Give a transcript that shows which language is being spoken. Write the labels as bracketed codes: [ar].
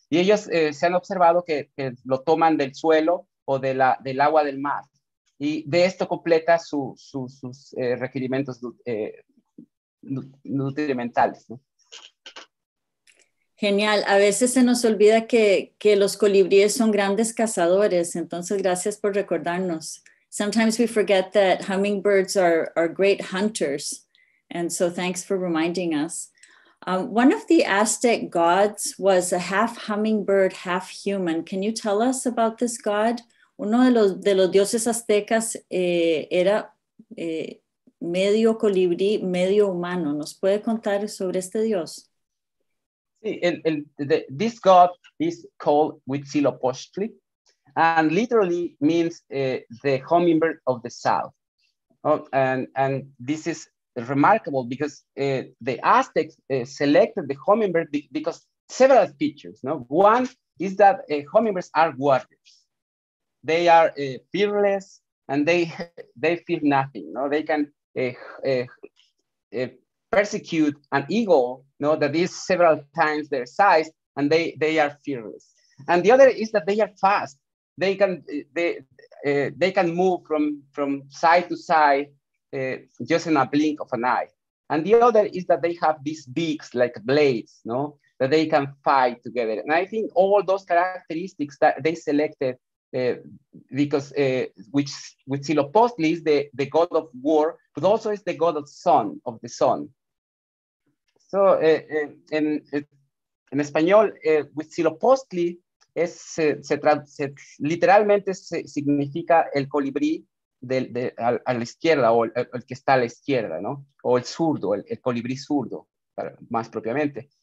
[es] Y ellos se han observado que lo toman del suelo o del agua del mar. Y de esto completa su, su, sus requerimientos nutrimentales, ¿no? Genial. A veces se nos olvida que los colibríes son grandes cazadores. Entonces, gracias por recordarnos. [en] Sometimes we forget that hummingbirds are great hunters. And so thanks for reminding us. One of the Aztec gods was a half hummingbird, half human. Can you tell us about this god? Uno de los dioses aztecas era medio colibrí, medio humano. ¿Nos puede contar sobre este dios? Sí, this god is called Huitzilopochtli and literally means the hummingbird of the south. And this is remarkable because the Aztecs selected the hummingbird because several features. No, one is that hummingbirds are warriors. They are fearless and they fear nothing. No, they can persecute an eagle. No, that is several times their size, and they are fearless. And the other is that they are fast. They can they can move from side to side. Just in a blink of an eye. And the other is that they have these beaks like blades, no? That they can fight together. And I think all those characteristics that they selected because Huitzilopochtli is the god of war, but also is the god of sun, of the sun. So in [es] español, Huitzilopochtli es, se literalmente significa el colibrí a la izquierda o el que está a la izquierda, ¿no? O el zurdo, el colibrí zurdo, más propiamente.